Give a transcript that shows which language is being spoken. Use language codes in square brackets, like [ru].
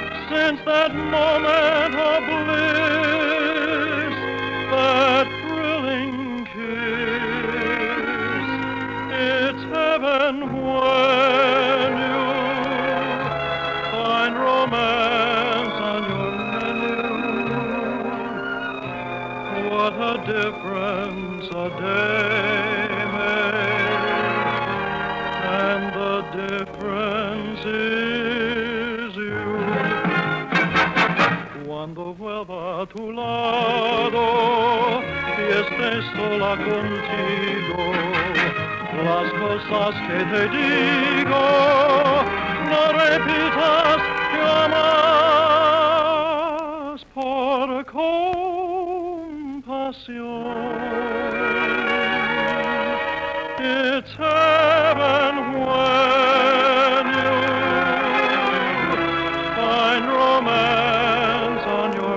[en] Since that moment of bliss, that thrilling kiss, it's heaven when you find romance on your menu. What a difference a day makes, and the difference is you. [es] Quando vuelva tu lado y estés sola contigo, las cosas que te digo no repitas jamás por compasión. [en] It's heaven when you find romance.